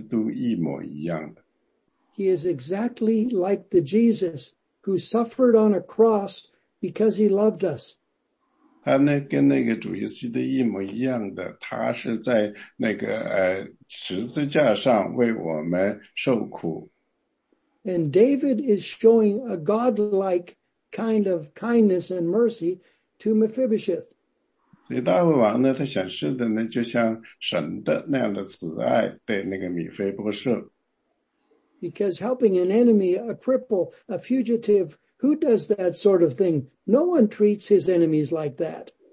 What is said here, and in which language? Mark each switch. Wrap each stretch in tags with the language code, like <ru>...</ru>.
<zh>现在如果我们问一个问题，神是像什么样子的呢？那么圣经呢告诉我们，他是跟主耶稣基督一模一样的。</zh> <en>He is exactly like the Jesus who suffered on a cross because he loved us.</en> <zh>他呢跟那个主耶稣基督一模一样的，他是在那个十字架上为我们受苦。</zh> <en>And David is showing a God-like kind of kindness and mercy to Mephibosheth.</en> <zh>所以大卫王呢，他显示的呢，就像神的那样的慈爱对那个米菲波设。</zh> <en>Because helping an enemy, a cripple, a fugitive, who does that sort of thing? No one treats his enemies like that.</en>